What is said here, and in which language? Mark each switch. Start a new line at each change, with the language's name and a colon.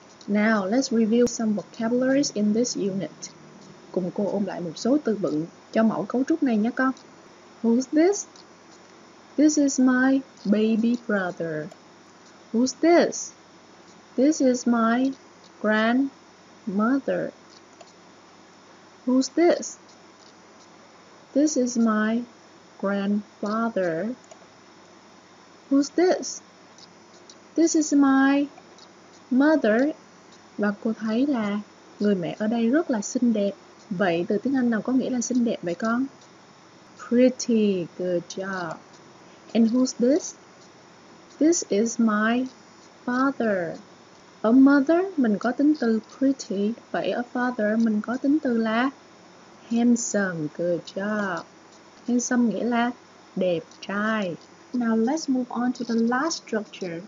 English: Now, let's review some vocabularies in this unit.
Vietnamese: Cùng cô ôm lại một số từ vựng cho mẫu cấu trúc này nhé con.
English: Who's this? This is my baby brother. Who's this? This is my grandmother. Who's this? This is my grandfather. Who's this? This is my mother.
Vietnamese: Và cô thấy là người mẹ ở đây rất là xinh đẹp. Vậy từ tiếng Anh nào có nghĩa là xinh đẹp vậy con?
English: Pretty, good job. And who's this? This is my father.
Vietnamese: Ở mother mình có tính từ pretty, vậy ở father mình có tính từ là handsome,
English: good job.
Vietnamese: Handsome nghĩa là đẹp trai.
English: Now let's move on to the last structure.